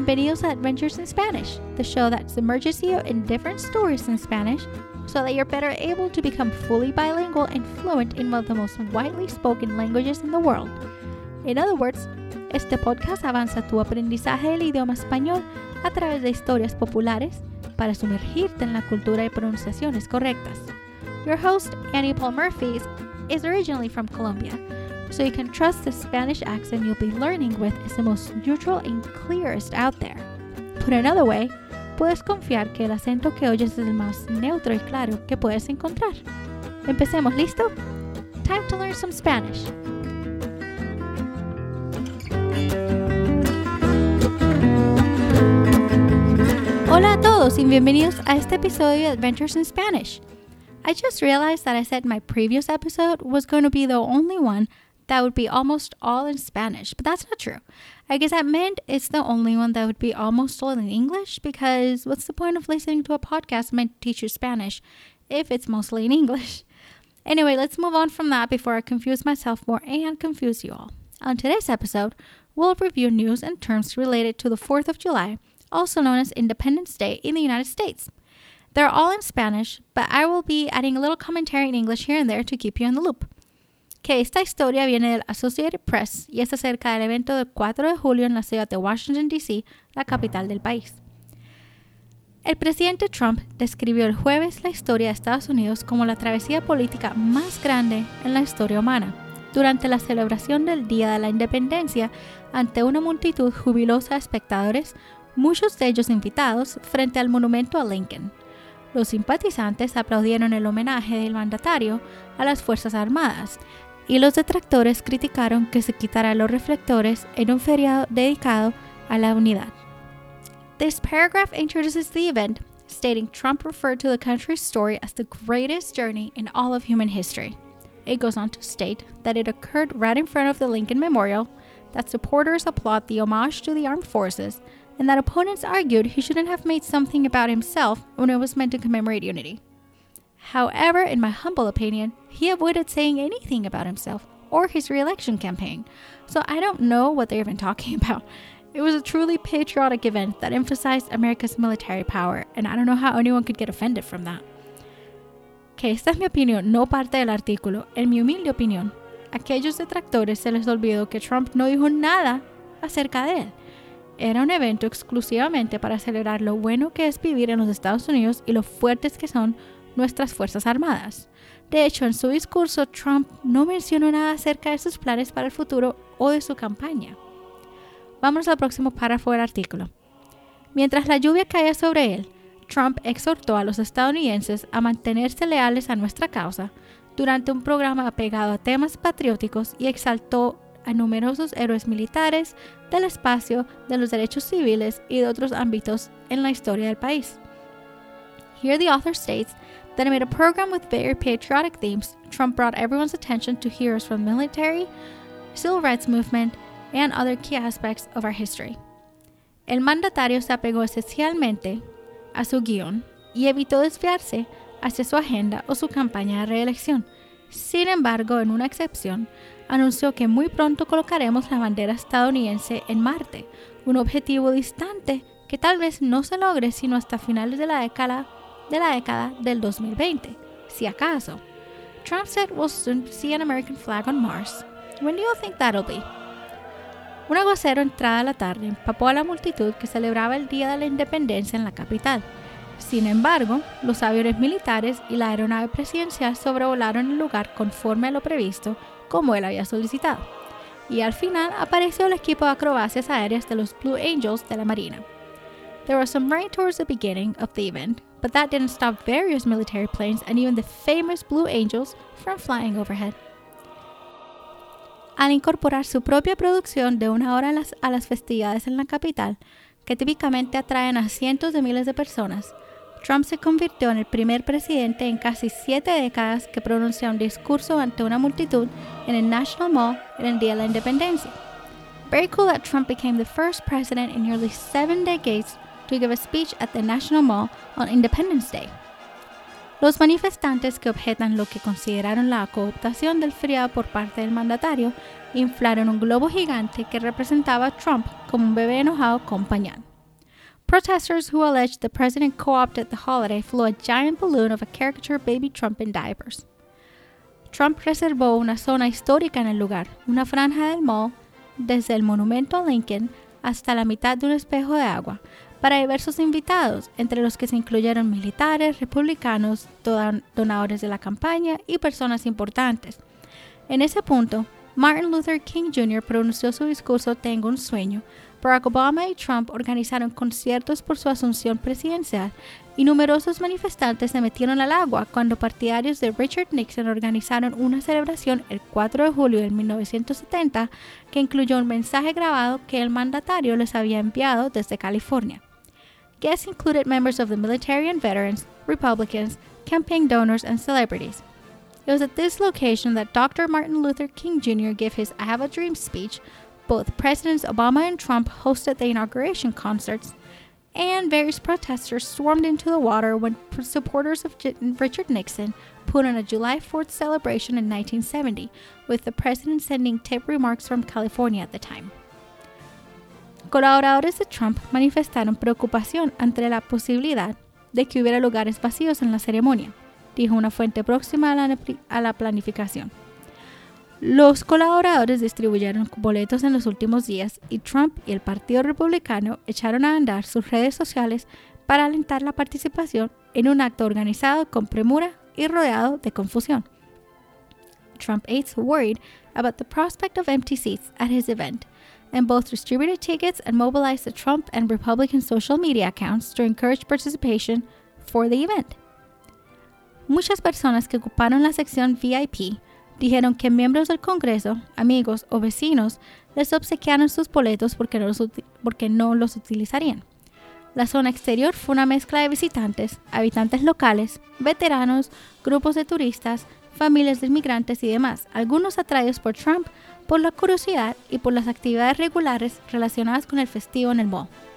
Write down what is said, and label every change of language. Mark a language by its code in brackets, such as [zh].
[en] Casa Adventures in Spanish, the show that submerges you in different stories in Spanish so that you're better able to become fully bilingual and fluent in one of the most widely spoken languages in the world. In other words, [es] este podcast avanza tu aprendizaje del idioma español a través de historias populares para sumergirte en la cultura y pronunciaciones correctas. [en] Your host, Annie Paul Murphy, is originally from Colombia, so you can trust the Spanish accent you'll be learning with is the most neutral and clearest out there. Put another way, [es] puedes confiar que el acento que oyes es el más neutro y claro que puedes encontrar. Empecemos, ¿listo? [en] Time to learn some Spanish. [es] Hola a todos y bienvenidos a este episodio de Adventures in Spanish. [en] I just realized that I said my previous episode was going to be the only one that would be almost all in Spanish, but that's not true. I guess that meant it's the only one that would be almost all in English, because what's the point of listening to a podcast meant to teach you Spanish if it's mostly in English? Anyway, let's move on from that before I confuse myself more and confuse you all. On today's episode, we'll review news and terms related to the 4th of July, also known as Independence Day in the United States. They're all in Spanish, but I will be adding a little commentary in English here and there to keep you in the loop. [es] Que esta historia viene del Associated Press y es acerca del evento del 4 de julio en la ciudad de Washington, D.C., la capital del país. El presidente Trump describió el jueves la historia de Estados Unidos como la travesía política más grande en la historia humana, durante la celebración del Día de la Independencia ante una multitud jubilosa de espectadores, muchos de ellos invitados, frente al monumento a Lincoln. Los simpatizantes aplaudieron el homenaje del mandatario a las Fuerzas Armadas y los detractores criticaron que se quitara los reflectores en un feriado dedicado a la unidad. [en] This paragraph introduces the event, stating Trump referred to the country's story as the greatest journey in all of human history. It goes on to state that it occurred right in front of the Lincoln Memorial, that supporters applaud the homage to the armed forces, and that opponents argued he shouldn't have made something about himself when it was meant to commemorate unity. However, in my humble opinion, he avoided saying anything about himself or his re-election campaign, so I don't know what they're even talking about. It was a truly patriotic event that emphasized America's military power, and I don't know how anyone could get offended from that. [es] Que esta es mi opinión, no parte del artículo. En mi humilde opinión, aquellos detractores se les olvidó que Trump no dijo nada acerca de él. Era un evento exclusivamente para celebrar lo bueno que es vivir en los Estados Unidos y lo fuertes que son nuestras Fuerzas Armadas. De hecho, en su discurso, Trump no mencionó nada acerca de sus planes para el futuro o de su campaña. Vámonos al próximo párrafo del artículo. Mientras la lluvia caía sobre él, Trump exhortó a los estadounidenses a mantenerse leales a nuestra causa durante un programa apegado a temas patrióticos y exaltó a numerosos héroes militares, del espacio, de los derechos civiles y de otros ámbitos en la historia del país. [en] Here the author states that amid a program with very patriotic themes, Trump brought everyone's attention to heroes from the military, civil rights movement, and other key aspects of our history. [es] El mandatario se apegó esencialmente a su guión y evitó desviarse hacia su agenda o su campaña de reelección. Sin embargo, en una excepción, anunció que muy pronto colocaremos la bandera estadounidense en Marte, un objetivo distante que tal vez no se logre sino hasta finales de la década del 2020, si acaso. [en] Trump said we'll soon see an American flag on Mars. When do you think that'll be? [es] Un aguacero entrada la tarde empapó a la multitud que celebraba el Día de la Independencia en la capital. Sin embargo, los aviones militares y la aeronave presidencial sobrevolaron el lugar conforme a lo previsto, como él había solicitado. Y al final apareció el equipo de acrobacias aéreas de los Blue Angels de la Marina. [en] There was some rain towards the beginning of the event, but that didn't stop various military planes and even the famous Blue Angels from flying overhead. [es] Al incorporar su propia producción de una hora a las festividades en la capital, que típicamente atraen a cientos de miles de personas, Trump se convirtió en el primer presidente en casi 7 décadas que pronuncia un discurso ante una multitud en el National Mall en el Día de la Independencia. [en] Very cool that Trump became the first president in nearly 7 decades to give a speech at the National Mall on Independence Day. [es] Los manifestantes que objetan lo que consideraron la cooptación del feriado por parte del mandatario inflaron un globo gigante que representaba a Trump como un bebé enojado con pañal. [en] Protesters who allege the president co-opted the holiday flew a giant balloon of a caricature baby Trump in diapers. [es] Trump reservó una zona histórica en el lugar, una franja del mall, desde el monumento a Lincoln hasta la mitad de un espejo de agua, para diversos invitados, entre los que se incluyeron militares, republicanos, donadores de la campaña y personas importantes. En ese punto, Martin Luther King Jr. pronunció su discurso Tengo un sueño, Barack Obama y Trump organizaron conciertos por su asunción presidencial y numerosos manifestantes se metieron al agua cuando partidarios de Richard Nixon organizaron una celebración el 4 de julio de 1970 que incluyó un mensaje grabado que el mandatario les había enviado desde California. [en] Guests included members of the military and veterans, Republicans, campaign donors, and celebrities. It was at this location that Dr. Martin Luther King Jr. gave his I Have a Dream speech. Both Presidents Obama and Trump hosted the inauguration concerts, and various protesters swarmed into the water when supporters of Richard Nixon put on a July 4th celebration in 1970, with the president sending tip remarks from California at the time. [es] Colaboradores de Trump manifestaron preocupación ante la posibilidad de que hubiera lugares vacíos en la ceremonia, dijo una fuente próxima a la planificación. Los colaboradores distribuyeron boletos en los últimos días y Trump y el Partido Republicano echaron a andar sus redes sociales para alentar la participación en un acto organizado con premura y rodeado de confusión. Trump aides worried about the prospect of empty seats at his event and both distributed tickets and mobilized the Trump and Republican social media accounts to encourage participation for the event. Muchas personas que ocuparon la sección VIP dijeron que miembros del Congreso, amigos o vecinos les obsequiaron sus boletos porque no los utilizarían. La zona exterior fue una mezcla de visitantes, habitantes locales, veteranos, grupos de turistas, familias de inmigrantes y demás, algunos atraídos por Trump, por la curiosidad y por las actividades regulares relacionadas con el festivo en el mall.